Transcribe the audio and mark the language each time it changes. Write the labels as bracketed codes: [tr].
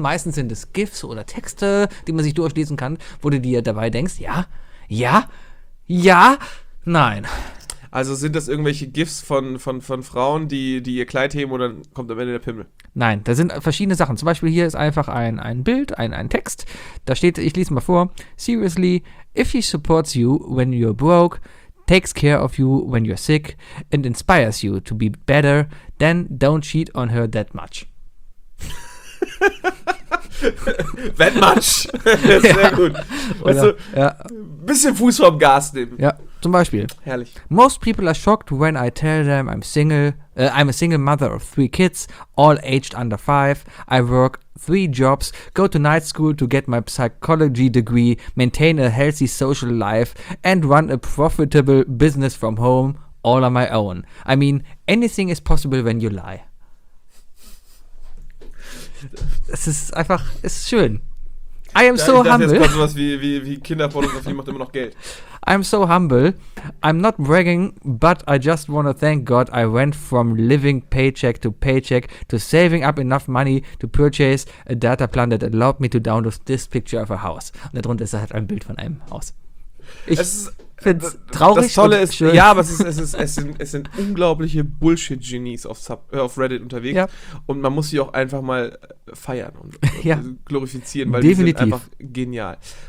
[de] Meistens sind es GIFs oder Texte, die man sich durchlesen kann, wo du dir dabei denkst, ja, ja, ja, nein. Also sind das irgendwelche GIFs von Frauen, die ihr Kleid heben, oder kommt am Ende der Pimmel? Nein, da sind verschiedene Sachen. Zum Beispiel hier ist einfach ein Bild, ein Text. Da steht, ich lese mal vor: [en] Seriously, if he supports you when you're broke, takes care of you when you're sick and inspires you to be better, then don't cheat on her that much. That much. [de] Sehr ja. gut. Weißt oder, du, ja. bisschen Fuß vom Gas nehmen. Ja, zum Beispiel. Herrlich. [en] Most people are shocked when I tell them I'm a single mother of 3 kids, all aged under 5. I work 3 jobs, go to night school to get my psychology degree, maintain a healthy social life and run a profitable business from home, all on my own. I mean, anything is possible when you lie. [de] Es ist einfach, es ist schön. [en] I am so humble. [de] Das ist quasi was wie Kinderpornografie, macht immer noch Geld. [en] I'm so humble. I'm not bragging, but I just want to thank God I went from living paycheck to paycheck to saving up enough money to purchase a data plan that allowed me to download this picture of a house. [de] Und darunter ist halt ein Bild von einem Haus. Ich finde es traurig. Das Tolle ist, schön. Ja, aber es sind unglaubliche Bullshit-Genies auf Reddit unterwegs. Ja. Und man muss sie auch einfach mal feiern und ja. glorifizieren, weil definitiv. Die sind einfach genial.